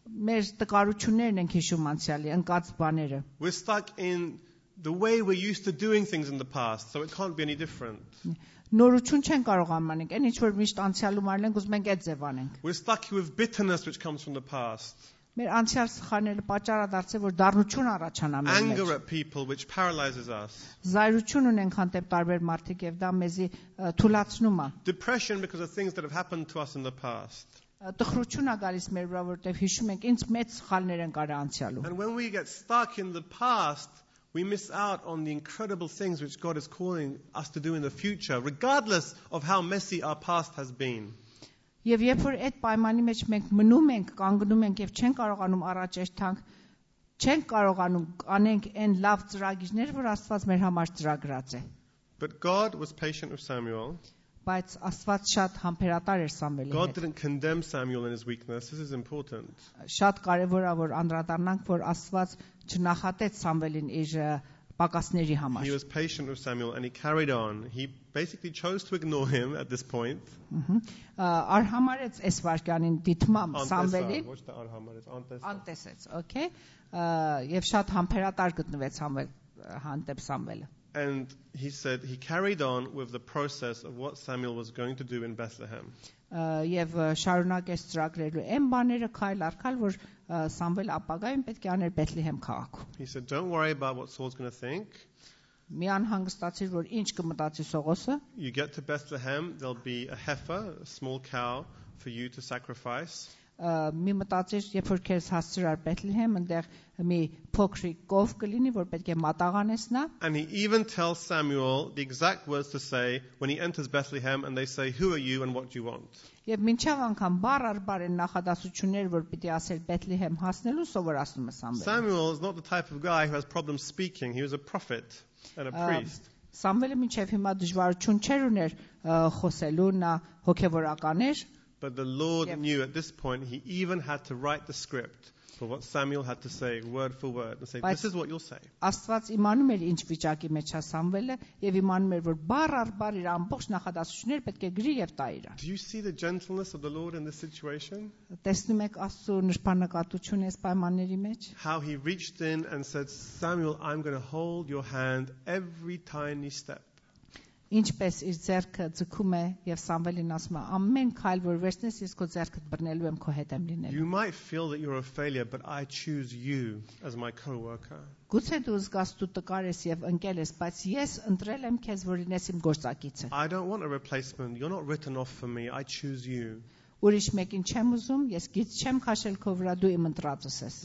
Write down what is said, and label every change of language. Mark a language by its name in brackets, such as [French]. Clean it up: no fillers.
[Armenian] Մեր տկարություններն ենք հիշում անցյալի ընկած բաները. [English] We're stuck in the way we're used to doing things in the past, so it can't be any different. [Armenian] Նորություն չեն կարող անմանենք, այն ինչ որ միշտ անցյալում արել ենք, ուզում ենք այդ ձև անենք. [English] We're stuck with bitterness which comes from the past. [Armenian] Մեր անցյալ սխալները պատճառ դարձել որ դառնություն առաջանա մեզ մեջ. [English] Anger at people which paralyzes us. [Armenian] Զայրություն ունենք հանդեպ տարբեր մարդիկ եւ դա մեզի թուլացնում է. [English] Depression because of things that have happened to us in the past. [Armenian] Տխրություն է գալիս մեր վրա որտեղ հիշում ենք ինձ մեծ սխալներ են կարա անցյալում. [English] And when we get stuck in the past, we miss out on the incredible things which God is calling us to do in the future, regardless of how messy our past has been. [Armenian] Եվ երբ որ այդ պայմանի մեջ մենք մնում ենք, կանգնում ենք եւ չենք կարողանում առաջ երթանք, չենք կարողանում անենք այն լավ ծրագիրներ, որ Աստված մեր համար ծրագրած է. [English] But God was patient with Samuel. [Armenian] Բայց Աստված շատ համբերատար էր Սամվելի հետ. [English] God didn't condemn Samuel in his weakness. This is important. [Armenian] Շատ կարևոր է որ անդրադառնանք, որ Աստված չնախատեց Սամվելին իր պակասների համար. [English] He was patient with Samuel and he carried on. He basically chose to ignore him at this point. [Armenian] Արհամարեց այս վարկյանին դիտմամբ Սամվելին. Ոչ թե արհամարեց, անտեսեց. Անտեսեց, okay? Եվ շատ համբերատար գտնվեց Սամվել հանդեպ Սամվելը. [English] And he said he carried on with the process of what Samuel was going to do in Bethlehem. [Armenian] Եվ շարունակեց ծրագրելու այն բաները քայլ առ քայլ, որ Սամվել ապագայում պետք է աներ Բեթլեհեմ քաղաքում. [English] He said, don't worry about what Saul's going to think. [Armenian] Մի անհանգստացիր, որ ինչ կմտածի Սողոսը. [English] You get to Bethlehem, there'll be a heifer, a small cow for you to sacrifice. [Armenian] Մի մտածիր, երբ որ քեզ հասցրար Բեթլեհեմ, այնտեղ մի փոքր կով կլինի, որ պետք է մատաղանես նա. [English] And he even tells Samuel the exact words to say when he enters Bethlehem and they say, who are you and what do you want? [Armenian] Եվ մինչև անգամ բառ առ բառ են նախադասություններ, որ պիտի ասել Բեթլեհեմ հասնելու սովորացնում է Սամվելին. [English] Samuel is not the type of guy who has problems speaking. He was a prophet and a priest. [Armenian] Սամվելը մինչև հիմա դժվարություն չեր ուներ խոսելու, նա հոգևորական էր. [English] But the Lord knew at this point he even had to write the script for what Samuel had to say word for word and say, this is what you'll say. [Armenian] Աստված իմանում էր ինչ վիճակի մեջ է Սամվելը եւ իմանում էր որ բառ առ բառ իր ամբողջ նախադասությունները պետք է գրի եւ տա իրան. [English] Do you see the gentleness of the Lord in this situation? [Armenian] Տեսնում եք Աստծո նշանակատությունը այս պայմանների մեջ? [English] How he reached in and said, Samuel, I'm going to hold your hand every tiny step. [Armenian] Ինչպես իր ձեռքը ձգում է եւ Սամվելին ասում է ամեն քայլ որ վերցնես ես քո ձեռքդ բռնելու եմ քո հետ եմ լինելու։ [English] You might feel that you're a failure but I choose you as my co-worker. [Armenian] Գուցե դու զգաս դու տկար ես եւ ընկել ես, բայց ես ընտրել եմ քեզ որ լինես իմ գործակիցը։ [English] I don't want a replacement. You're not written off for me. I choose you. [Armenian] Ուրիշ մեկին չեմ ուզում, ես գից չեմ քաշել քո վրա, դու իմ ընտրածս ես։